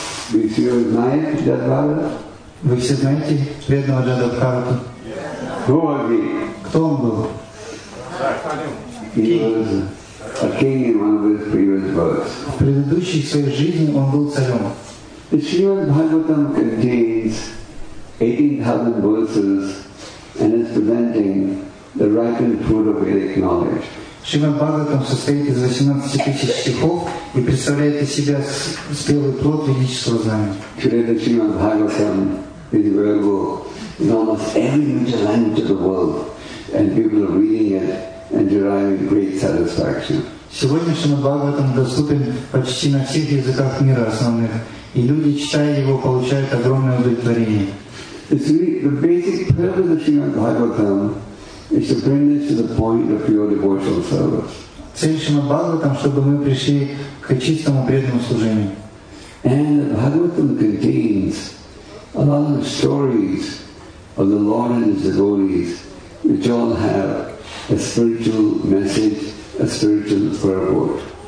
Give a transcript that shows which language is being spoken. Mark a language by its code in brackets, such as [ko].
[ru] Вы все знаете Джат Бхарат? Вы все знаете преданного Джата Бхарата? [en] Who was he? [ru] Кто он был? [en] He was a king in one of his previous births. [ru] В предыдущей своей жизни он был царем. [en] The Srimad Bhagavatam contains 18,000 verses and is presenting the ripened fruit of Vedic knowledge. [ru] Srimad Bhagavatam состоит из 18,000 стихов и представляет из себя спелый плод ведического знания. [en] Today the Srimad Bhagavatam is available in almost every major language of the world, and people are reading it and deriving great satisfaction. [ru] Сегодня Шримад Бхагаватам доступен почти на всех языках мира основных, и люди, читая его, получают огромное удовлетворение. [en] The basic purpose of Shrimad Bhagavatam is to bring this to the point of pure devotional service. [ru] Цель Шримад Бхагаватам, чтобы мы пришли к чистому преданному служению. [en] And the Bhagavatam contains a lot of stories of the Lord and His devotees, which all have a spiritual message, a spiritual purpose.